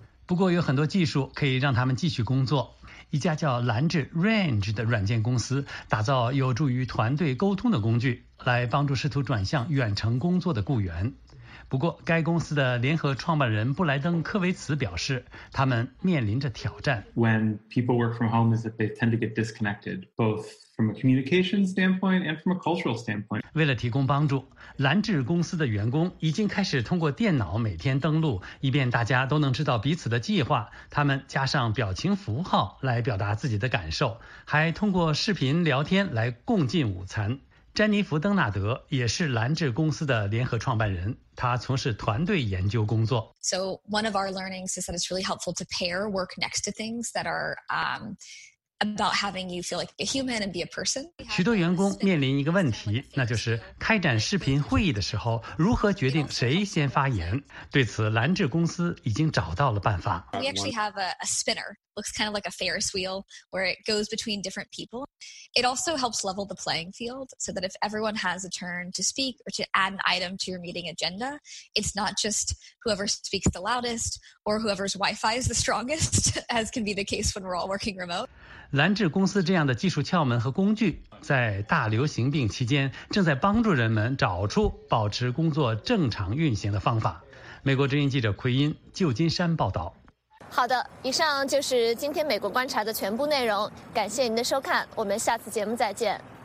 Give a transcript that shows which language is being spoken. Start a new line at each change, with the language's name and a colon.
Chinese: 不过有很多技术可以让他们继续工作。一家叫蓝智 Range 的软件公司打造有助于团队沟通的工具，来帮助试图转向远程工作的雇员。不过该公司的联合创办人布莱登科维茨表示，他们面临着挑战。
English: When people work from home is that they tend to get disconnected both from a communication standpoint and from a cultural standpoint.
Chinese: 为了提供帮助，蓝智公司的员工已经开始通过电脑每天登录，以便大家都能知道彼此的计划。他们加上表情符号来表达自己的感受，还通过视频聊天来共进午餐。詹妮弗·登纳德也是蓝智公司的联合创办人，他从事团队研究工作。
English: So one of our learnings is that it's really helpful to pair work next to things that are, about having you feel like a human and be a person.
Chinese: 许多员工面临一个问题，那就是开展视频会议的时候，如何决定谁先发言。对此，蓝智公司已经找到了办法。
English: We actually have a spinner, looks kind of like a Ferris wheel, where it goes between different people. It also helps level the playing field, so that if everyone has a turn to speak or to add an item to your meeting agenda, it's not just whoever speaks the loudest or whoever's Wi-Fi is the strongest, as can be the case when we're all working remote.
Chinese: 蓝智公司这样的技术窍门和工具，在大流行病期间正在帮助人们找出保持工作正常运行的方法。美国之音记者奎因，旧金山报道。好的，以上就是今天美国观察的全部内容，感谢您的收看，我们下次节目再见。